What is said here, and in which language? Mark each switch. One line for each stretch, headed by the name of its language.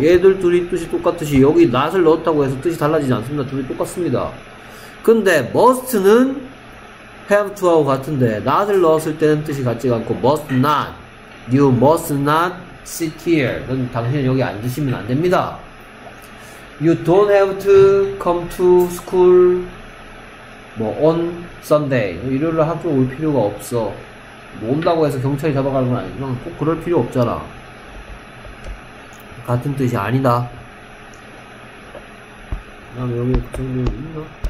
Korean: 얘들 둘이 뜻이 똑같듯이 여기 not을 넣었다고 해서 뜻이 달라지지 않습니다. 둘이 똑같습니다. 근데 must는 have to하고 같은데 not을 넣었을 때는 뜻이 같지가 않고 must not,
English: you must not sit here.
Korean: 당신은 여기 앉으시면 안 됩니다.
English: You don't have to come to school 뭐 on Sunday.
Korean: 일요일날 학교 올 필요가 없어. 뭐 온다고 해서 경찰이 잡아가는 건 아니지만 꼭 그럴 필요 없잖아. 같은 뜻이 아니다. 그다음에 여기 그 정도 있나?